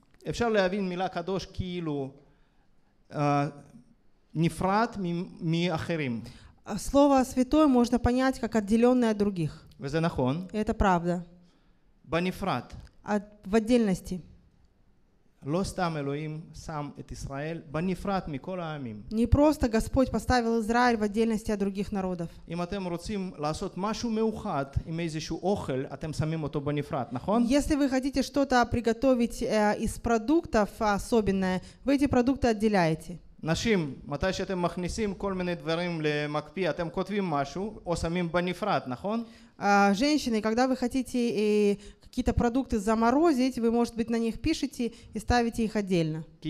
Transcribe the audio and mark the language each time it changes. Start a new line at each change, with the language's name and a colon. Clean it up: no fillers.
Hebrew: אפשר להבין מילה קדוש כאילו נפרד מאחרים.
Russian: Слово святое можно понять как отделенное от других.
Hebrew: וזה נכון.
Russian: Это правда.
Hebrew: בנפרד.
Russian: В отдельности.
Hebrew: לא סתם אלוהים שם את ישראל בנפרד מכל העמים.
Russian: Не просто Господь поставил Израиль в отдельности от других народов.
Hebrew: אם אתם רוצים לעשות משהו מיוחד עם איזשהו אוכל, אתם שמים אותו בנפרד, נכון?
Russian: Если вы хотите что-то приготовить из продуктов особенное, вы эти продукты отделяете.
Hebrew: נשים, מתי שאתם מכניסים כל מיני דברים למקפיא, אתם כותבים משהו או שמים בנפרד, נכון?
Russian: Женщины, когда вы хотите какие-то продукты заморозить, вы, может быть, на них пишете и ставите их отдельно.